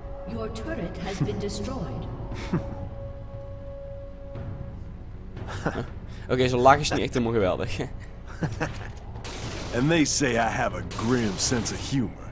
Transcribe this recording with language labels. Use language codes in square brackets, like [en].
[en] Your turret has been destroyed. [nl] Oké, zo lach is niet echt helemaal geweldig. [en] And they say I have a grim sense of humor.